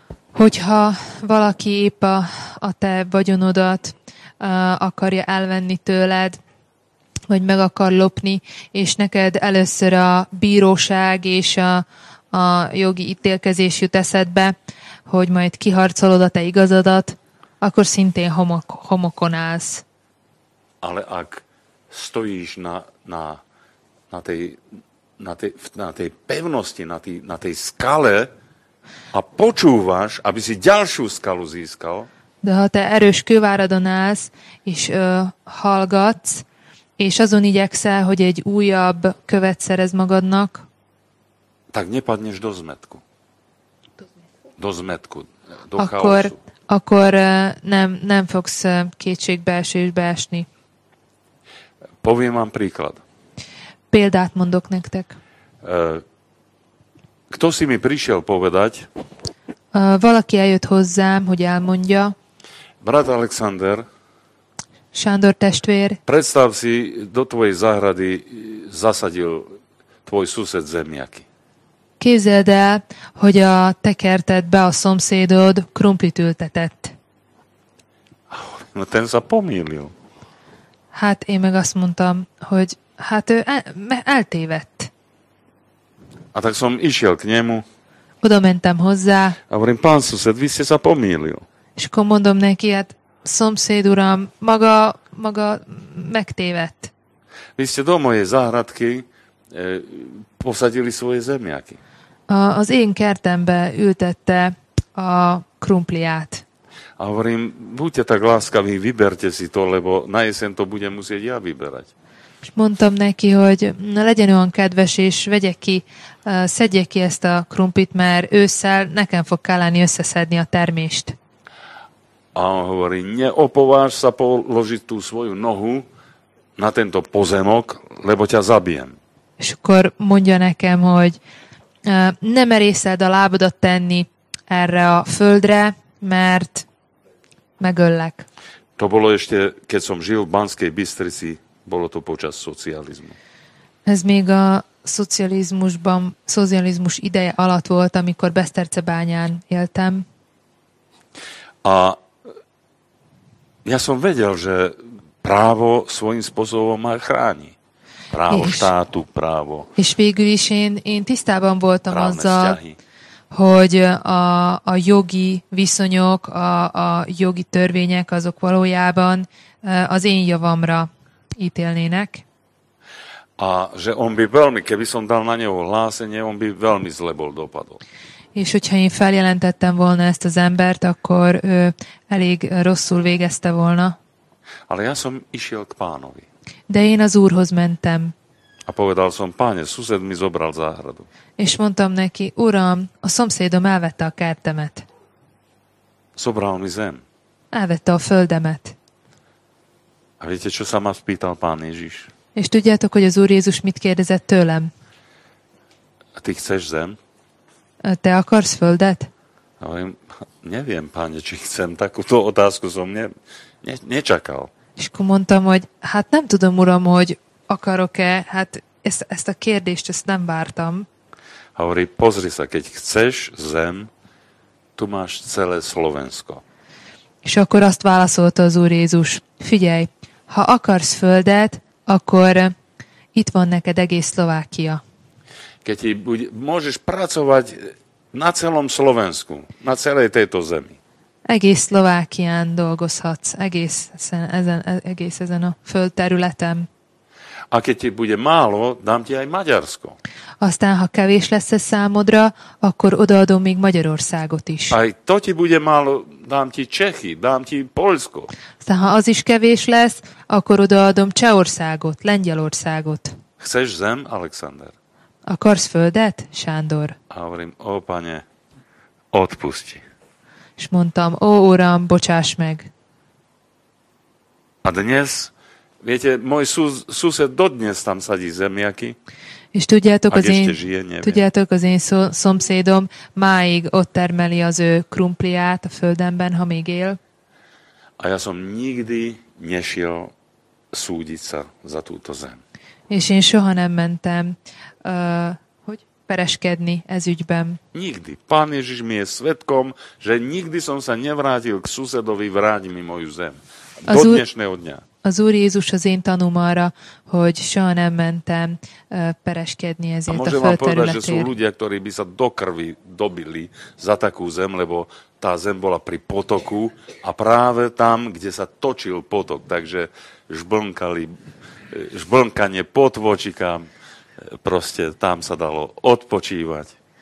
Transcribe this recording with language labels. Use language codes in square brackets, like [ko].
[hu] Hogyha valaki épp a te vagyonodat akarja elvenni tőled, vagy meg akar lopni, és neked először a bíróság és a jogi ítélkezés jut eszedbe, hogy majd kiharcolod a te igazadat, akkor szintén homokon állsz. [sk] Ale ak stojíš na tej na tej pevnosti, na tej skale a počúvaš, aby si ďalšiu skalu získal. [hu] De ha te erős kőváradon állsz, és hallgatsz, és azon igyekszel, hogy egy újabb követ szerez magadnak, [sk] tak nepadneš do zmetku. Do zmetku. Do [hu] akkor, chaosu. Akkor nem fogsz kétségbeesésbe esni. [sk] Poviem vám príklad. [hu] Példát mondok nektek. [sk] Kto si mi prišiel povedať? [hu] Valaki eljött hozzám, hogy elmondja. [sk] Brat Alexander. [hu] Sándor testvér. [sk] Predstav si, do tvojej záhrady zasadil tvoj sused zemiaky. [hu] Képzeld el, hogy a te kertedbe a szomszédod krumplit ültetett. [sk] No, ten sa pomýlil. [hu] Hát én meg azt mondtam, hogy hát ő eltévedt. [sk] A tak som išiel k nemu. [hu] Oda mentem hozzá. [sk] A hovorím, pán szused, vy ste sa pomýlil. [hu] És akkor mondom neki, hát szomszéd uram, maga megtévedt. [sk] Vy ste do mojej záhradky posadili svoje zemiaky. [hu] Az én kertembe ültette a krumpliát. [sk] A hovorím, buďte tak láskaví, vyberte si to, lebo na jesen to budem musieť ja vyberať. [hu] És mondtam neki, hogy legyen olyan kedves, és vegye ki, szedje ki ezt a krumplit, mert ősszel nekem fog kelleni összeszedni a termést. [sk] A on hovorí, neopováž sa položiť tú svoju nohu na tento pozemok, lebo ťa zabijem. [hu] És akkor mondja nekem, hogy ne merészed a lábadat tenni erre a földre, mert megöllek. [sk] To bolo ešte, keď som žil v Banskej Bystrici, bolo to počas socializmu. [hu] Ez még a szocializmusban, szocializmus ideje alatt volt, amikor Besztercebányán éltem. [sk] A ja som vedel, že právo svojím spôsobom má chráni. Právo és, štátu, právo. [hu] És végül is én tisztában voltam azzal, hogy a jogi viszonyok, a jogi törvények azok valójában az én javamra ítélnének. [sk] A že on by veľmi, keby som dal na neho hlásenie, on by veľmi zle bol dopadol. [hu] És hogyha én feljelentettem volna ezt az embert, akkor ő elég rosszul végezte volna. [sk] Ale ja som išiel k pánovi. [hu] De én az úrhoz mentem. [sk] A povedal som, páne, szused mi zobral záhradu. [hu] És mondtam neki, uram, a szomszédom elvette a kertemet. [sk] Zobral mi zem. [hu] Elvette a földemet. [sk] A viete, čo sa ma spýtal pán Ježiš? [hu] És tudjátok, hogy az Úr Jézus mit kérdezett tőlem? [sk] A ty chceš zem? [hu] Te akarsz földet? [sk] Neviem, páne, či chcem. Takúto otázku som nečakal. [hu] És akkor mondtam, hogy hát nem tudom, uram, hogy akarok-e. Hát ezt a kérdést ezt nem vártam. [sk] Hovorí, pozri sa, keď chceš zem, tu máš celé Slovensko. [hu] És akkor azt válaszolta az Úr Jézus. Figyelj, ha akarsz földet, akkor itt van neked egész Szlovákia. [sk] Keď môžeš pracovať na celom Slovensku, na celej tejto zemi. [hu] Egész Szlovákián dolgozhatsz, egész ezen a földterületen. [sk] A keď ti bude málo, dám ti aj Maďarsko. [hu] Aztán, ha kevés lesz a számodra, akkor odaadom még Magyarországot is. [sk] Aj to ti bude málo, dám ti Čechy, dám ti Polsko. [hu] Aztán, ha az is kevés lesz, akkor odaadom Csehországot, Lengyelországot. [sk] Chceš zem, Alexander? [hu] Akarsz földet, Sándor? [sk] Hovorím, ó, pane, odpusti. [hu] És mondtam, ó, uram, bocsáss meg. [sk] A dnes, viete, môj sused dodnes tam sadí zemiaky. [hu] És tudjátok, az én szomszédom máig ott termeli az ő krumpliát a földemben, ha még él. [sk] A ja som nikdy nešiel súdiť sa za túto zem. [hu] És én soha nem mentem hogy pereskedni ez ügyben. [sk] Nikdy. Pán Ježiš mi je svedkom, že nikdy som sa nevrátil k susedovi, vráť mi moju zem. Do dnešného dňa. [hu] Az Úr Jézus az én tanúm arra, hogy soha nem mentem pereskedni ezért a földterületért. [sk] A môžem vám povedať, že sú ľudia, ktorí by sa do krvi dobili za takú zem, lebo tá zem bola pri potoku a práve tam, kde sa točil potok, takže žblnkanie potvočika proste tam sa dalo odpočívať.